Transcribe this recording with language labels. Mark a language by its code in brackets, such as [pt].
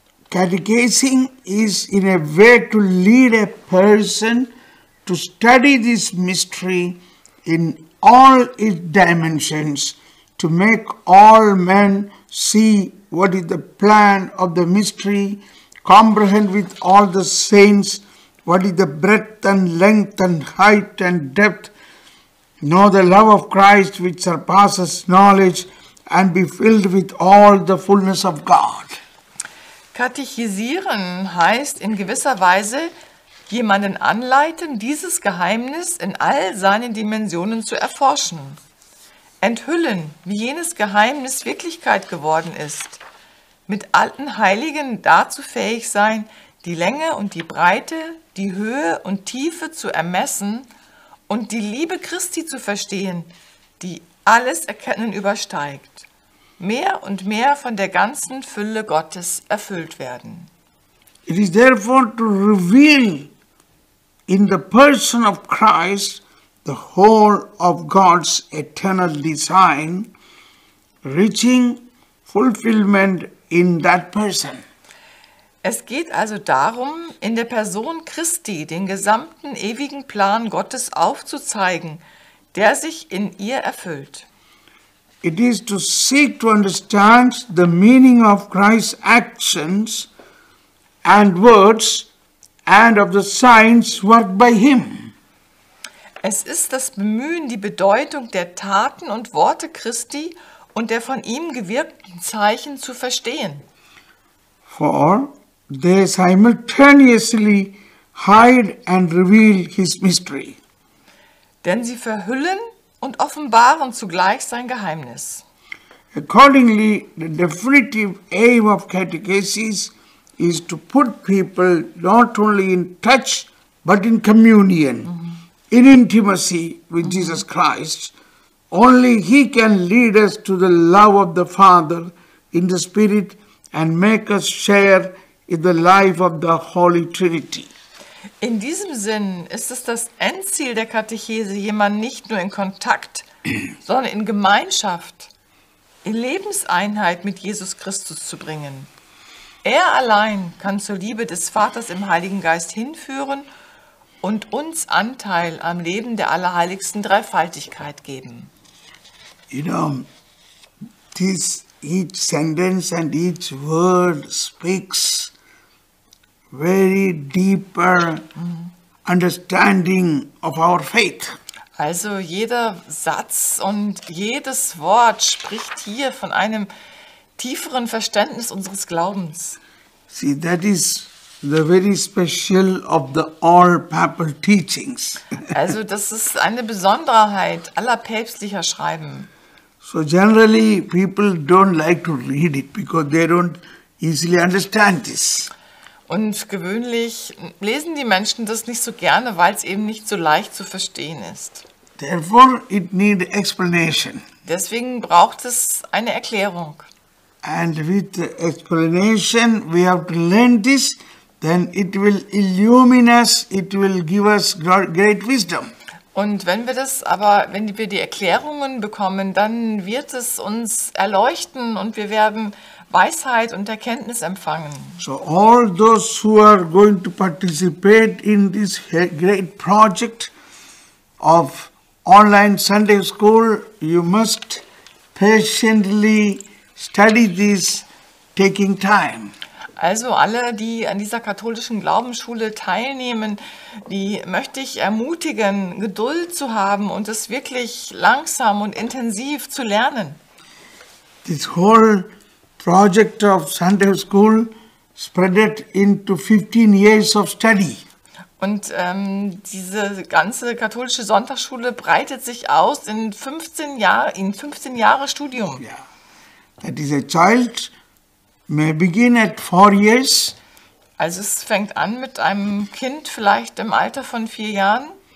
[en] Catechizing is in a way to lead a person to study this mystery in all its dimensions, to make all men see what is the plan of the mystery, comprehend with all the saints what is the breadth and length and height and depth, know the love of Christ which surpasses knowledge, and be filled with all the fullness of God. [de] Katechisieren heißt in gewisser Weise, jemanden anleiten, dieses Geheimnis in all seinen Dimensionen zu erforschen. Enthüllen, wie jenes Geheimnis Wirklichkeit geworden ist. Mit allen Heiligen dazu fähig sein, die Länge und die Breite, die Höhe und Tiefe zu ermessen und die Liebe Christi zu verstehen, die alles Erkennen übersteigt. Mehr und mehr von der ganzen Fülle Gottes erfüllt werden. [en] It is therefore to reveal in the person of Christ the whole of God's eternal design, reaching fulfillment in that person. [de] Es geht also darum, in der Person Christi den gesamten ewigen Plan Gottes aufzuzeigen, der sich in ihr erfüllt. [en] It is to seek to understand the meaning of Christ's actions and words and of the signs worked by him. [de] Es ist das Bemühen, die Bedeutung der Taten und Worte Christi und der von ihm gewirkten Zeichen zu verstehen. [en] For they simultaneously hide and reveal his mystery. [de] Denn sie verhüllen und offenbaren zugleich sein Geheimnis. [en] Accordingly, the definitive aim of catechesis is to put people not only in touch, but in communion, mm-hmm. in intimacy with mm-hmm. Jesus Christ. Only he can lead us to the love of the Father in the Spirit and make us share in the life of the Holy Trinity. [de] In diesem Sinn ist es das Endziel der Katechese, jemanden nicht nur in Kontakt, sondern in Gemeinschaft, in Lebenseinheit mit Jesus Christus zu bringen. Er allein kann zur Liebe des Vaters im Heiligen Geist hinführen und uns Anteil am Leben der allerheiligsten Dreifaltigkeit geben. [en] You know, this each sentence and each word speaks very deeper understanding of our faith. [de] Also jeder Satz und jedes Wort spricht hier von einem tieferen Verständnis unseres Glaubens. [en] See, that is the very special of the all papal teachings. [de] Also das ist eine Besonderheit aller päpstlicher Schreiben. [en] So generally people don't like to read it because they don't easily understand this. [de] Und gewöhnlich lesen die Menschen das nicht so gerne, weil es eben nicht so leicht zu verstehen ist. [en] Therefore, it need explanation. [de] Deswegen braucht es eine Erklärung. [en] And with the explanation we have to learn this, then it will illumine us, it will give us great wisdom. [de] Und wenn wir das aber, wenn wir die Erklärungen bekommen, dann wird es uns erleuchten und wir werden Weisheit und Erkenntnis empfangen. [en] So all those who are going to participate in this great project of online Sunday school, you must patiently study this, taking time. [de] Also alle, die an dieser katholischen Glaubensschule teilnehmen, die möchte ich ermutigen, Geduld zu haben und es wirklich langsam und intensiv zu lernen. [en] This whole project of Sunday school spreaded into 15 years of study. [de] Und diese ganze katholische Sonntagsschule breitet sich aus in 15 Jahre Studium. [en] Yeah. That is a child may begin at 4 years. [de] Also es fängt an mit einem Kind vielleicht im Alter von 4 Jahren.